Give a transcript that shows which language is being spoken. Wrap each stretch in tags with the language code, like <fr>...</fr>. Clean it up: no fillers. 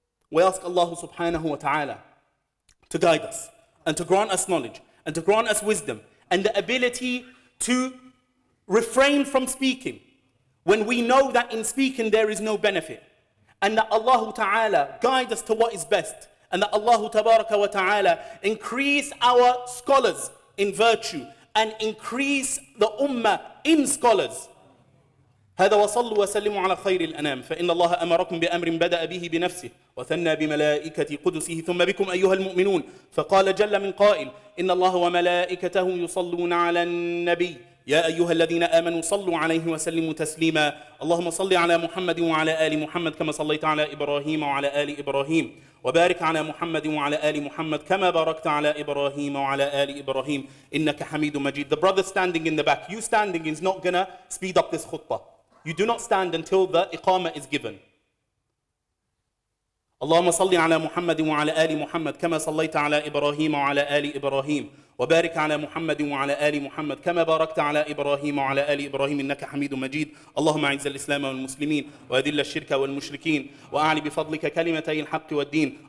<en>We ask Allah subhanahu wa ta'ala to guide us, and to grant us knowledge, and to grant us wisdom, and the ability to refrain from speaking when we know that in speaking there is no benefit, and that Allah Ta'ala guide us to what is best, and that Allah Tabaraka wa Ta'ala increase our scholars in virtue and increase the ummah in scholars.</en> <ar>هذا وصلوا وسلموا على خير الأنام فإن الله أمركم بأمر بدأ به بنفسه وثنى بملائكة قدسه ثم بكم أيها المؤمنون فقال جل من قائل إن الله وملائكته يصلون على النبي يا أيها الذين آمنوا صلوا عليه وسلموا تسليما اللهم صل على محمد وعلى آل محمد كما صليت على إبراهيم وعلى آل إبراهيم وبارك على محمد وعلى آل محمد كما باركت على إبراهيم وعلى آل إبراهيم إنك حميد مجيد.</ar> <en>The brother standing in the back, you standing is not gonna speed up this khutbah. You do not stand until the iqama is given.</en> <ar>اللهم صل على محمد وعلى آل محمد كما صليت على إبراهيم وعلى آل إبراهيم وبارك على محمد وعلى آل محمد كما باركت على إبراهيم وعلى آل إبراهيم إنك حميد مجيد. اللهم أعز الإسلام والمسلمين وأذل الشرك والمشركين وأعلي بفضلك كلمتي الحق والدين.</ar>